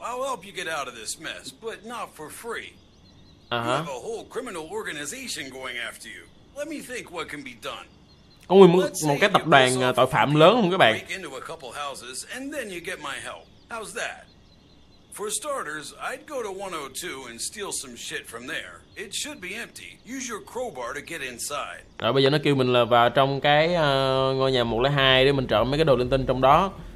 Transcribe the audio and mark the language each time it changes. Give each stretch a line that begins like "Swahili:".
English: I'll help you get out of this mess, but not for free. Uh-huh. You have a whole criminal organization going after you. Let me think what can be done.
Vietnamese: Có nguyên một cái tập đoàn tội phạm lớn không các bạn?
English: Break into a couple houses and then you get my help. How's that? For starters, I'd go to 102 and steal some shit from there. It should be empty. Use your crowbar to get inside.
Vietnamese: Rồi bây giờ nó kêu mình là vào trong cái ngôi nhà 102 để mình trộm mấy cái đồ linh tinh trong đó.